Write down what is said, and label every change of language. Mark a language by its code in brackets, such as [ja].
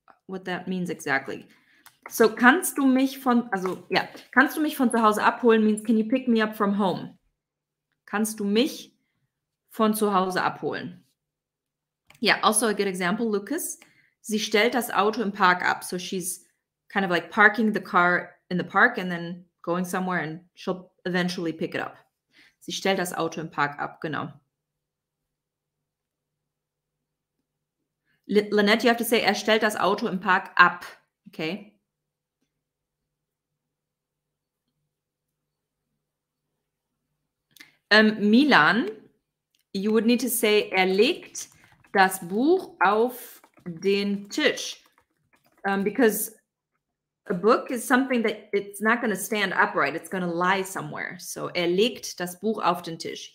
[en] what that means exactly. So, [de] kannst du mich von, [en] also, yeah, [de] kannst du mich von zu Hause abholen [en] means can you pick me up from home? [de] Kannst du mich von zu Hause abholen? [en] Yeah, also a good example, [de] Lucas. Sie stellt das Auto im Park ab. [en] So she's kind of like parking the car in the park and then going somewhere and she'll eventually pick it up. [de] Sie stellt das Auto im Park ab, genau. [en] Lynette, you have to say, [de] er stellt das Auto im Park ab, [en] okay? Milan, you would need to say, [de] er legt das Buch auf den Tisch. [en] Because a book is something that it's not going to stand upright. It's going to lie somewhere. [de] So er legt das Buch auf den Tisch.